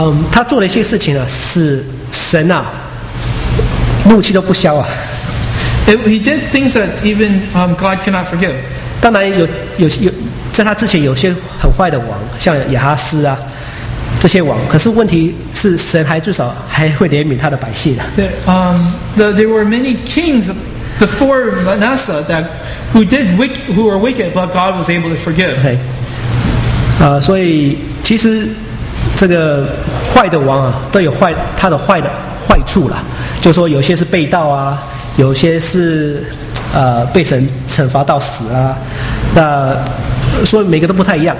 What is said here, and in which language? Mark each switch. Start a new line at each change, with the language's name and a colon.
Chinese: 他做了一些事情呢，使神啊怒气都不消啊。
English: He did things that even God cannot forgive.
Chinese: 当然有在他之前有些很坏的王，像亚哈斯啊这些王。可是问题是，神还至少还会怜悯他的百姓的。
English: There were many kings before Manasseh who were wicked, but God was able to forgive.
Chinese: 对，所以其实这个坏的王啊，都有坏他的坏的坏处了，就说有些是被盗啊。有些是被神惩罚到死啊，那所以每个都不太一样。